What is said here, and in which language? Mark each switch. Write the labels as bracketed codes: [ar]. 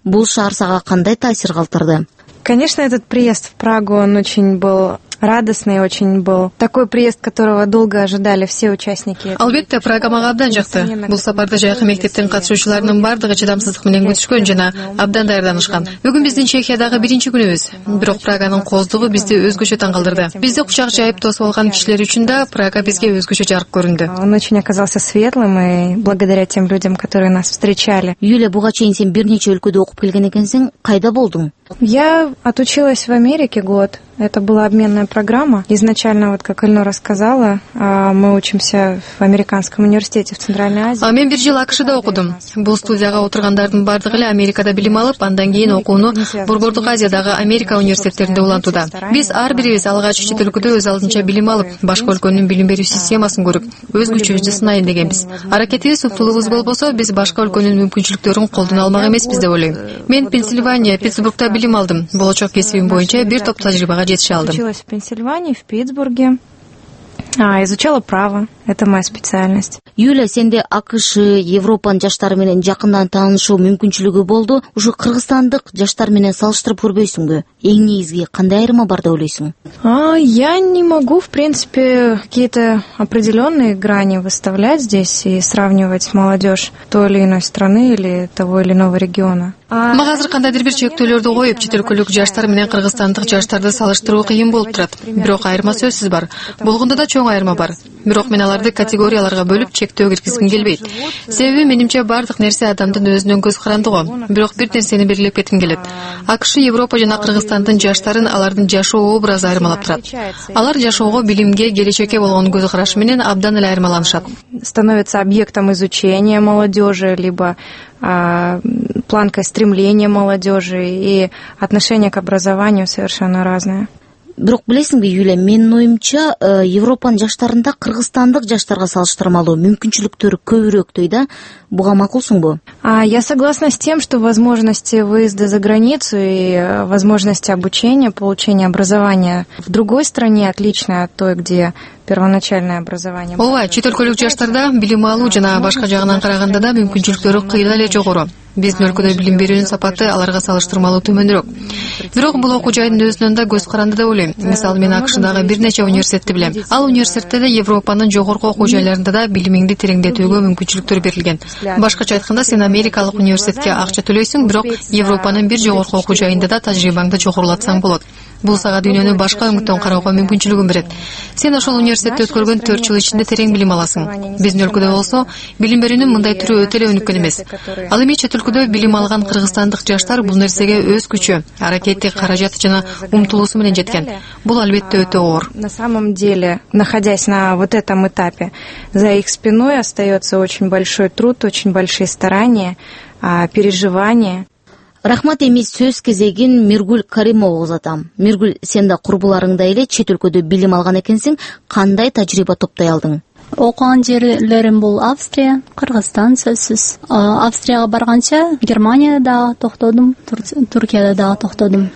[ky] Бул шаар сага кандай таасир калтырды? [ru] Конечно, этот приезд в Прагу, он очень был радостный, очень был такой приезд, которого долго ожидали все участники. [ky] Албетте, Прага мага абдан жакты. Бул сапарда жайкы мектептин катышуучуларынын бардыгы чыдамсыздык менен күтүшкөн жана абдан даярданышкан. Бүгүн биздин Чехиядагы биринчи күнүбүз, бирок Праганын кооздугу бизди өзгөчө таң калтырды. Бизди кучак жайып тосуп алган кишилер үчүн да Прага бизге өзгөчө жарык көрүндү. [ru] Он очень оказался светлым и благодаря тем людям, которые нас встречали. [ky] Юля, буга чейин сен бир нече өлкөдө окуп келген экенсиң, кайда болдуң? [ru] Я отучилась в Америке год. Это была обменная программа. Изначально, вот как Эльнура сказала, мы учимся в американском университете в Центральной Азии. [ky] А мен бир жыл АКШ-да окудум. Бул студияга отургандардын бардыгы эле Америкада билим алып, андан кийин окууну Борбордук Азиядагы Америка университеттеринде улантууда. Биз ар бирибиз алгач чет өлкөдө өз алдынча билим алып, башка өлкөнүн билим берүү системасын көрүп, өз күчүбүздү сынайын дегенбиз. Аракетибиз, уктулугубуз болбосо, биз башка өлкөнүн мүмкүнчүлүктөрүн колдоно алмак эмеспиз деп ойлойм. Мен Пенсильвания, Питтсбургда билим алдым. Болочок кесибим боюнча бир топ тажрыйба [ru] училась в Пенсильвании, в Питтсбурге. Изучала право. Это моя специальность. [ky] Юля, сенде АКШ, Европанын жаштары менен жакындан таанышуу мүмкүнчүлүгү болду. Ушу кыргызстандык жаштар менен салыштырып көрбөйсүңбү? Эң негизги кандай айырма бар деп ойлойсуң? [ru] Я не могу, в принципе, какие-то определенные грани выставлять здесь и сравнивать молодежь той или иной страны или того или иного региона. [ky] Мага азыр кандайдыр бир чектөөлөрдү коюп, чет өлкөлүк жаштар менен кыргызстандык жаштарды салыштыруу кыйын болуп турат. Бирок айырма сөзсүз бар. Болгондо да чоң айырма бар. Бирок мен аларды категорияларга бөлүп чектөө киргизгим келбейт. Себеби менимче бардык нерсе адамдын өзүнөн көз карандыго. Бирок бир нерсени белгилеп кетким келет. АКШ, Европа жана Кыргызстандын жаштарын алардын жашоо образы айырмалап турат. Алар жашоого, билимге, келечекке болгон көз караш менен абдан эле айырмаланышат. [ru] Становится объектом изучения молодежи, либо планкой стремления молодежи и отношение к образованию совершенно разное. [ky] Бирок билесиңби, Юля, менин оюмча Европанын жаштарында кыргызстандык жаштарга салыштырмалуу мүмкүнчүлүктөр көбүрөөк дейт да. Буга макулсуңбу? [ru] Я согласна с тем, что возможности выезда за границу и возможности обучения, получения образования в другой стране отличны от той, где первоначальное образование. [ky] Ооба, чет өлкөлүк жаштарда билим алуу жана башка жагынан караганда да мүмкүнчүлүктөрү кыйла эле жогору. Биздин өлкөдө билим берүүнүн сапаты аларга салыштырмалуу төмөнүрөөк. Бирок бул окуу жайынын өзүнөн да көз каранды деп ойлойм. Мисалы, мен АКШ-дагы бир нече университетти билем. Ал университеттерде Европанын жогорку окуу жайларында да билимиңди тереңдетүүгө мүмкүнчүлүктөр берилген. Башкача айтканда, сен Америкалык университетке акча төлөйсүң, бирок Европанын бир жогорку окуу жайында да тажрыйбаңды жогорулатсаң болот. Бул сага дүйнөнү башка өңүттөн карауга мүмкүнчүлүгүн берет. Сен ошол университетте өткөргөн 4 жыл ичинде терең билим аласың. Биздин өлкөдө болсо, билим берүүнүн мындай түрү өтө эле өнүккөн эмес. Ал эми чет өлкөдө билим алган кыргызстандык жаштар бул нерсеге өз күчү, аракети, каражаты жана умтулуусу менен жеткен. Бул албетте өтө оор. [ru] На самом деле, находясь на вот этом этапе, за их спиной остается очень большой труд, очень большие старания, переживания. [ky] Рахмат, эми сөз кезегин Миргүл Каримова узатам. Миргүл, сен да курбуларыңда эле чет өлкөдө билим алган экенсиң, кандай тажрыйба топтой алдың? Окуган жерлерим бул Австрия, Кыргызстан сөзсүз. Австрияга барганча Германияда дагы токтодум, Түркияда дагы токтодум.